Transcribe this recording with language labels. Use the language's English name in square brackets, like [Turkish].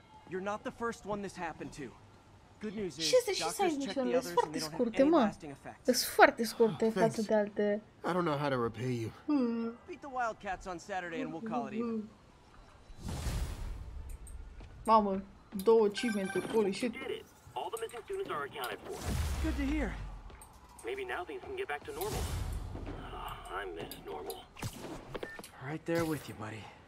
[English] You're not the first one this happened to. Good news is, doctors checked the others and they don't have any lasting effects. [Romanian] It's foarte scurte față de alte. [English] I don't know how to repay you. Beat the Wildcats on Saturday and we'll call it even. [Romanian] Mamă, două achievement-uri. [English] Holy shit. All the missing students are accounted for. Good to hear. Maybe now things can get back to normal. Oh, I miss normal. Right there with you, buddy.